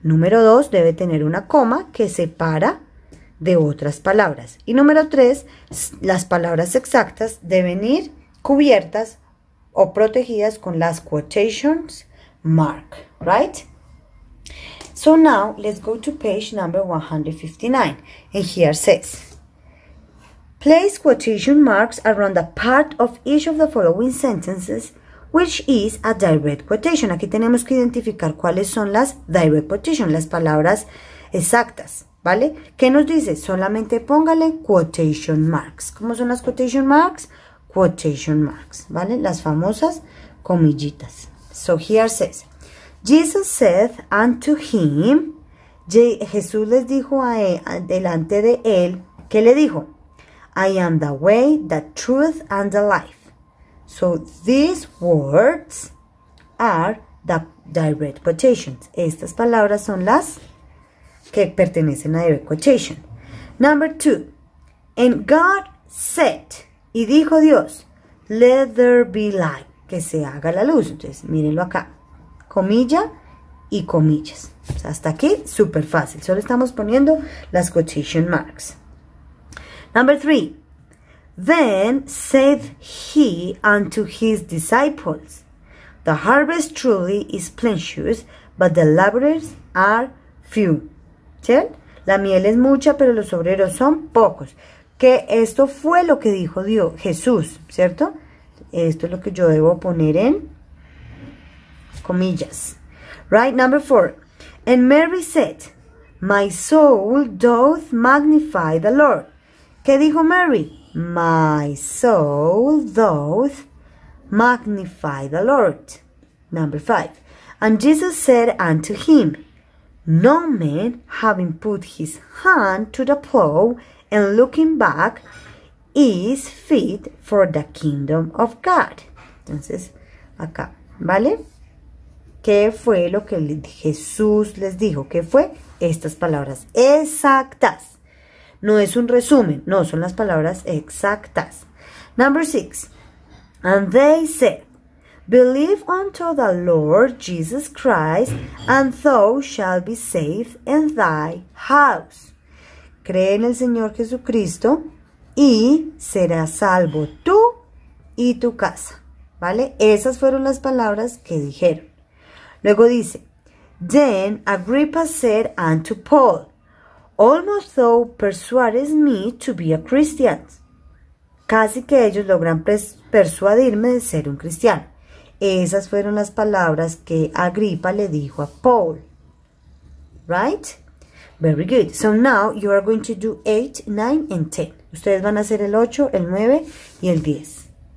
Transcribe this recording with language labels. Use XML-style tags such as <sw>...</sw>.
<es>Número dos, debe tener una coma que separa de otras palabras. Y número tres, las palabras exactas deben ir cubiertas o protegidas con las quotations mark, ¿right?</es> <en>So now, let's go to page number 159. And here says, place quotation marks around the part of each of the following sentences, which is a direct quotation.</en> <es>Aquí tenemos que identificar cuáles son las direct quotations, las palabras exactas, ¿vale? ¿Qué nos dice? Solamente póngale quotation marks. ¿Cómo son las quotation marks? Quotation marks, ¿vale? Las famosas comillitas.</es> <en>So here says, Jesus said unto him,</en> <es>Jesús les dijo a él, delante de él, ¿qué le dijo? I am the way, the truth, and the life.</es> <en>So these words are the direct quotations.</en> <es>Estas palabras son las que pertenecen a direct quotation.</es> <en>Number two, and God said,</en> <es>y dijo Dios,</es> <en>let there be light,</en> <es>que se haga la luz. Entonces, mírenlo acá. Comilla y comillas. O sea, hasta aquí, súper fácil. Solo estamos poniendo las quotation marks.</es> <en>Number three. Then said he unto his disciples, the harvest truly is plenteous, but the laborers are few. ¿Sí?</en> <es>La miel es mucha, pero los obreros son pocos. Que esto fue lo que dijo Dios, Jesús, ¿cierto? Esto es lo que yo debo poner en comillas.</es> <en>Right, number four. And Mary said, my soul doth magnify the Lord.</en> <es>¿Qué dijo Mary?</es> <en>My soul doth magnify the Lord. Number five. And Jesus said unto him, no man having put his hand to the plow and looking back is fit for the kingdom of God.</en> <es>Entonces, acá, ¿vale? ¿Qué fue lo que Jesús les dijo? ¿Qué fue? Estas palabras exactas. No es un resumen, no, son las palabras exactas.</es> <en>Number six. And they said, believe unto the Lord Jesus Christ, and thou shalt be saved in thy house.</en> <es>Cree en el Señor Jesucristo y serás salvo tú y tu casa. ¿Vale? Esas fueron las palabras que dijeron. Luego dice,</es> <en>then Agrippa said unto Paul, almost thou persuades me to be a Christian.</en> <es>Casi que ellos logran persuadirme de ser un cristiano. Esas fueron las palabras que Agripa le dijo a Paul.</es> <en>Right? Very good. So now you are going to do 8, 9 and 10.</en> <es>Ustedes van a hacer el 8, el 9 y el 10.</es>